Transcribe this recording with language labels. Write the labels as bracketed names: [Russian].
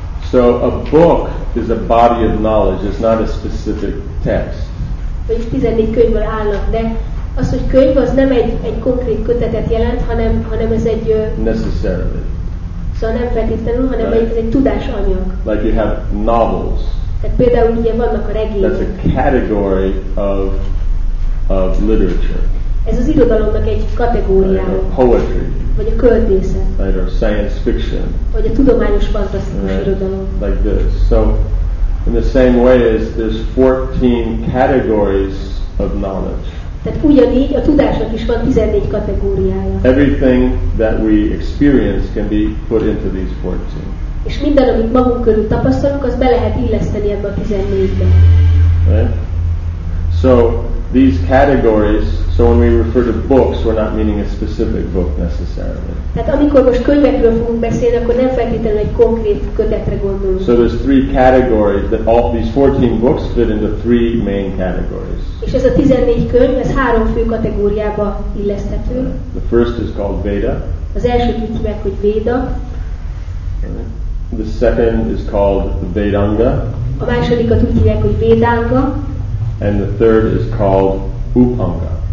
[English] So a book is a body of knowledge, it's not a specific text. [Hungarian] Egy 14 könyvből állnak, de az, hogy könyv, az nem egy konkrét kötetet jelent, hanem ez egy... [English] Necessarily. [Hungarian] Szóval nem feltétlenül, hanem right. Ez egy tudásanyag. [English] Like you have novels. [Hungarian] Tehát például ugye vannak a regények. [English] That's a category of literature. [Hungarian] Ez az irodalomnak egy kategóriája. [English] Right, poetry. [Hungarian] Vagy a költészet. [English] Right, or science fiction. [Hungarian] Vagy a tudományos fantasztikus [English] right. [Hungarian] Irodalom. [English] Like this. So, in the same way, is there's 14 categories of knowledge. [Hungarian] Tehát ugyanígy a tudásnak is van 14 kategóriája. [English] Everything that we experience can be put into these 14. [Hungarian] És minden, amit magunk körül tapasztalunk, az be lehet illeszteni ebbe a 14-be. [English] Right? So, these categories, so when we refer to books, we're not meaning a specific book necessarily. [Hungarian] Tehát amikor most könyvekről fogunk beszélni, akkor nem feltétlenül egy konkrét kötetre gondolunk. [English] So there's three categories, that all these 14 books fit into three main categories. [Hungarian] És ez a 14 könyv, ez három fő kategóriába illeszthető. [English] The first is called Veda. [Hungarian] Az elsőt úgy hívják, hogy Veda. [English] The second is called Vedanga. [Hungarian] A másodikat úgy hívják, hogy Vedanga. [English] And the third is called Upanga.